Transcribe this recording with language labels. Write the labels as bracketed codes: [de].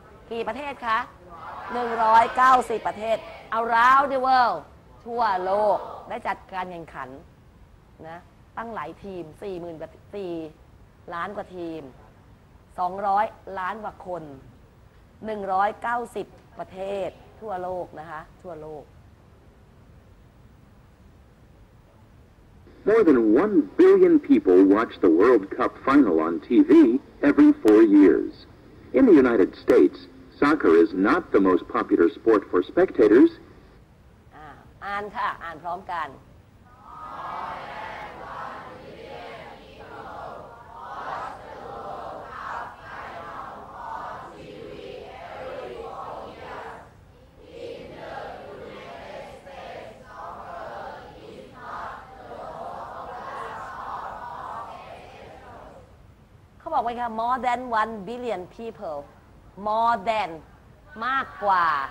[th] กี่ประเทศคะ190ประเทศ [en] around the world [th] ทั่วโลกได้จัดการแข่งขันนะตั้งหลายทีม 40,000 ล้านกว่าทีม200ล้านกว่าคน190ประเทศทั่วโลกนะคะทั่วโลก [en] More than 1 billion people watch the World Cup final on TV every 4 years in the United States. Soccer is not the most popular sport for spectators. [th] อ่านค่ะอ่านพร้อมกันเขาบอกไว้ค่ะ [en] more than 1 billion peoplemore than [th] มากกว่า